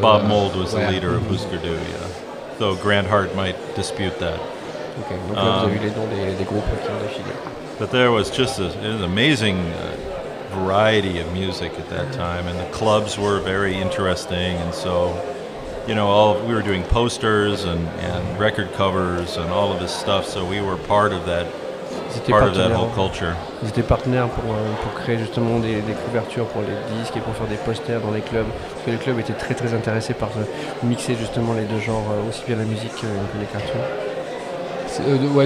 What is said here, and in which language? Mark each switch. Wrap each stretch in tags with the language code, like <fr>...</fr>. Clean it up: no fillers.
<en>Bob Mould was the leader of Husker Du, yeah. Though Grant Hart might dispute that.</en> <fr>Okay, vous avez vu les noms des groupes qui ont défilé.</fr> <en>But there was just an amazing variety of music at that time, and the clubs were very interesting. And so, you know, we were doing posters and record covers and all of this stuff. So we were part of that. Part of that whole culture.</en> <fr>Ils étaient partenaires pour créer justement des couvertures pour les disques et pour faire des posters dans les clubs. Parce que les clubs étaient très très intéressés par mixer justement les deux genres, aussi bien la musique que les cartoons.</fr>